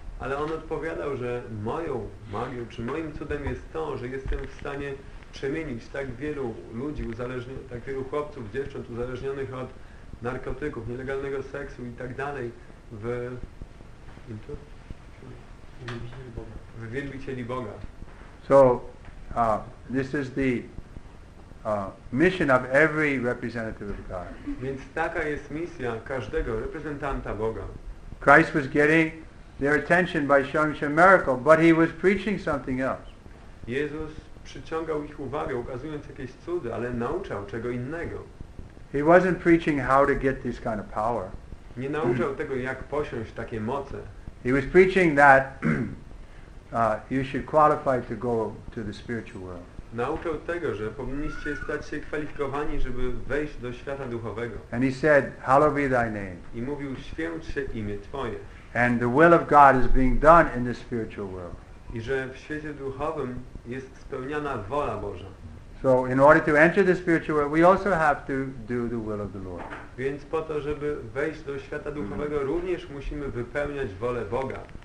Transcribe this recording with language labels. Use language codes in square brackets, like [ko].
[pl] Ale on odpowiadał, że moją magią, czy moim cudem jest to, że jestem w stanie przemienić tak wielu ludzi, tak wielu chłopców, dziewcząt uzależnionych od narkotyków, nielegalnego seksu i tak dalej w wielbicieli Boga. [en] So, this is the mission of every representative of God. [pl] Więc taka jest misja każdego reprezentanta Boga. [en] Christ was getting their attention by showing a miracle, but he was preaching something else. [pl] Jezus przyciągał ich uwagę, ukazując jakieś cudy, ale nauczał czego innego. [en] He wasn't preaching how to get this kind of power. [pl] Nie nauczał tego, jak posiąść takie moce. [en] He was preaching that you should qualify to go to the spiritual world. [pl] Nauczał tego, że powinniście stać się kwalifikowani, żeby wejść do świata duchowego. [en] And he said, "Hallowed be thy name." [pl] I mówił, święć się imię Twoje. [en] And the will of God is being done in the spiritual world. [pl] I że w świecie duchowym jest spełniana wola Boża. [en] So in order to enter the spiritual world, we also have to do the will of the Lord. [pl] Więc po to, żeby wejść do świata duchowego, również musimy wypełniać wolę Boga.